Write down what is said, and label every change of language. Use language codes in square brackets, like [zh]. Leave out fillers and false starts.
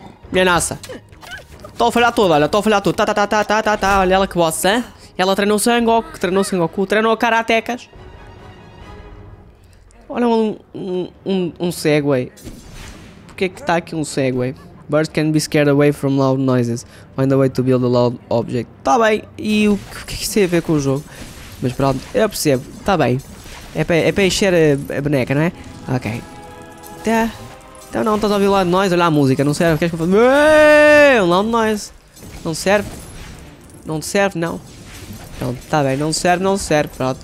[pt] Minha nossa. Estou a falhar tudo, olha, estou a falhar tudo. Tá, olha ela que boss, hein? Ela treinou Sengoku, treinou karatecas. Olha um segway. Porquê que está aqui um segway? [en] Birds can be scared away from loud noises. Find a way to build a loud object. [pt] Está bem. E o que é que isso tem a ver com o jogo? Mas pronto, eu percebo. Está bem. É para encher a boneca, não é? Ok. Então não estás a ouvir loud noise? Olha a música. Não serve. Queres que eu faça? Loud noise. Não serve. Não serve, não. Pronto, está bem. Não serve. Pronto.